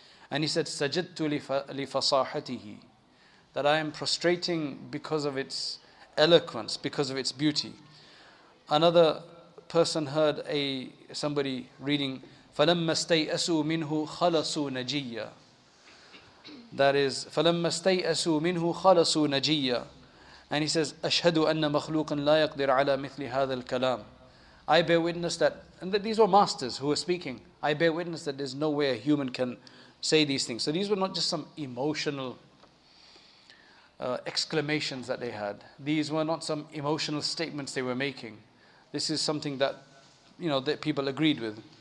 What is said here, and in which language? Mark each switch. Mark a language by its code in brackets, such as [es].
[en] And he said, [ar] Sajidtu li fasahatihi, [en] that I am prostrating because of its eloquence, because of its beauty. Another person heard somebody reading, [ar] فَلَمَّا اسْتَيْأَسُوا مِنْهُ خَلَصُوا نَجِيَّا. [en] That is, [ar] فَلَمَّا اسْتَيْأَسُوا مِنْهُ خَلَصُوا نَجِيَّا. [en] And he says, [ar] أَشْهَدُ أَنَّ مَخْلُوقًا لَا يَقْدِرْ عَلَى مِثْلِ هَذَا الْكَلَامِ. [en] I bear witness that, and that these were masters who were speaking, I bear witness that there's no way a human can say these things. So these were not just some emotional exclamations that they had. These were not some emotional statements they were making. This is something that, you know, that people agreed with.